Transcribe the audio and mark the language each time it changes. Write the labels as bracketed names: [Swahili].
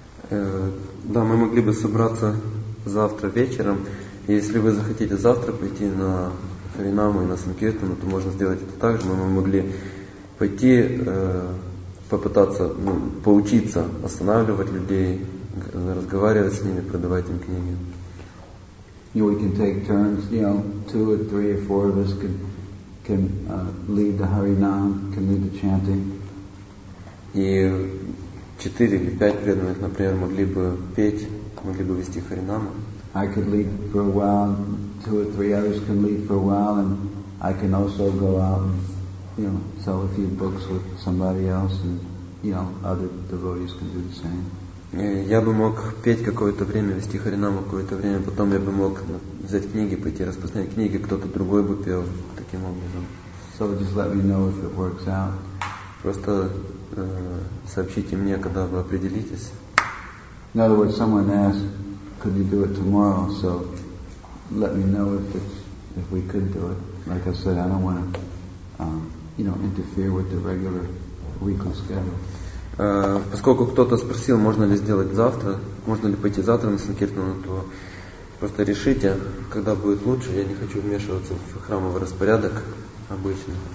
[Russian] Да, мы могли бы собраться завтра вечером. Если вы захотите завтра пойти на Харинаму и на Санкиртану, то можно сделать это так же. Мы могли пойти, попытаться, ну, поучиться, останавливать людей, разговаривать с ними, продавать им книги. [English] We can take turns, you know, two or three or four of us can lead the Harinam, can lead the chanting. [Russian] И четыре или пять преданных, например, могли бы петь, могли бы вести Харинаму. [English] I could lead for a while, two or three others can lead for a while, and I can also go out and, you know, sell a few books with somebody else, and, you know, other devotees can do the same. [Russian] Я бы мог петь какое-то время, вести Харинаму какое-то время, потом я бы мог взять книги, пойти распространять книги, кто-то другой бы пел таким образом. [English] So just let me know if it works out. [Russian] Просто сообщите мне, когда вы определитесь. [English] In other words, someone asked, could you do it tomorrow? So let me know if we could do it. Like I said, I don't want to interfere with the regular weekly schedule. [Russian] Поскольку кто-то спросил, можно ли сделать завтра, можно ли пойти завтра на Санкиртану, то просто решите, когда будет лучше. Я не хочу вмешиваться в храмовый распорядок обычно.